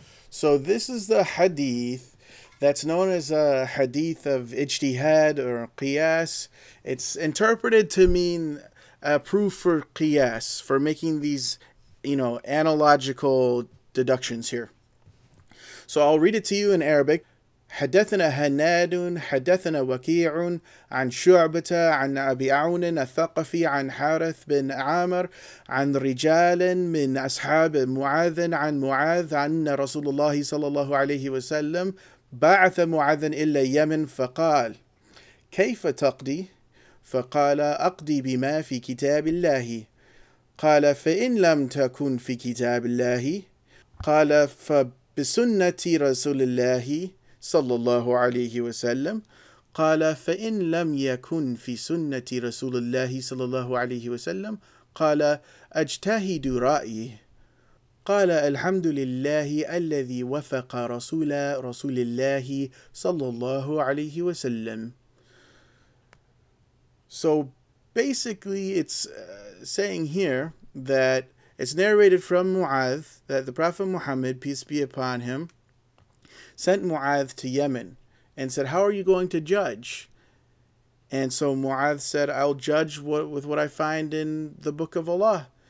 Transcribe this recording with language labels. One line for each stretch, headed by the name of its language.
English: So this is the hadith that's known as a hadith of ijtihad or qiyas. It's interpreted to mean a proof for qiyas, for making these, you know, analogical deductions here. So I'll read it to you in Arabic.
Arabic: حدثنا هناد حدثنا وكيع عن شعبة عن أبي عون الثقفي عن حارث بن عامر عن رجال من أصحاب معاذ عن معاذ أن رسول الله صلى الله عليه وسلم بعث معاذ إلى اليمن فقال كيف تقضي؟ فقال أقضي بما في كتاب الله. قال فإن لم تكن في كتاب الله؟ قال فبسنة رسول الله صلى الله عليه وسلم. قال فإن لم يكن في سنة رسول الله صلى الله عليه وسلم. قال أجتهد رأيي. قال الحمد لله الذي وفق رسول الله صلى الله عليه وسلم.
English: So basically it's saying here that it's narrated from Mu'adh that the Prophet Muhammad, peace be upon him, sent Mu'adh to Yemen and said, how are you going to judge? And so Mu'adh said, I'll judge with what I find in the Book of Allah.